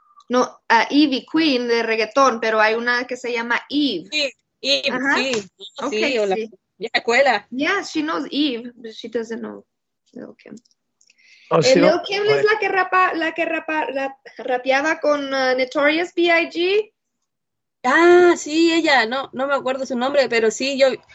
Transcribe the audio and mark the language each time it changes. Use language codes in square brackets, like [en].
[es] No, Ivy Queen de reggaetón, pero hay una que se llama Eve. Sí, uh-huh. Sí. Okay, sí. [en] Yeah, she knows Eve, but she doesn't know Lil Kim. [es] Oh, Lil Kim es la que rapeaba con Notorious B.I.G. Ah, sí, ella, no me acuerdo su nombre, pero sí, yo...